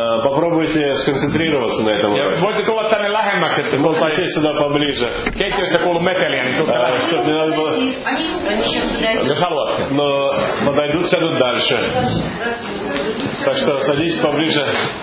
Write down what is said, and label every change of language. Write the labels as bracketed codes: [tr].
[ru] Попробуйте сконцентрироваться на этом. [fi] Voitte tulla tänne lähemmäksi, että tulta sinne [ru] поближе. [fi] Keittiöstä kuuluu meteliä, niin tulta lähemmäksi. Jos haluatte. [ru] Но подойдут сядут дальше. Так что садитесь поближе.